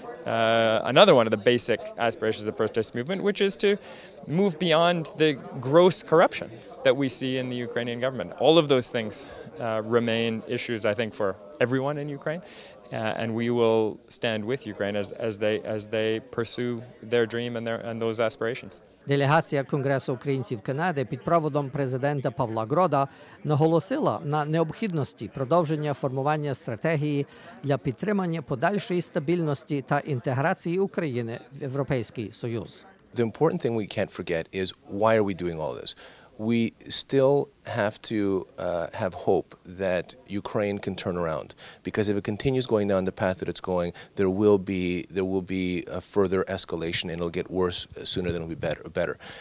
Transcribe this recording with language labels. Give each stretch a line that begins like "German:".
English: another one of the basic aspirations of the protest movement, which is to move beyond the gross corruption that we see in the Ukrainian government. All of those things remain issues, I think, for everyone in Ukraine, and we will stand with Ukraine as they pursue their dream and those aspirations.
Ukrainian: Делегація Конгресу українців Канади під проводом президента Павла Грода наголосила на необхідності продовження формування стратегії для підтримання подальшої стабільності та інтеграції України в Європейський Союз.
English: The important thing we can't forget is why are we doing all this? We still have to have hope that Ukraine can turn around, because if it continues going down the path that it's going, there will be a further escalation, and it'll get worse sooner than it'll be better.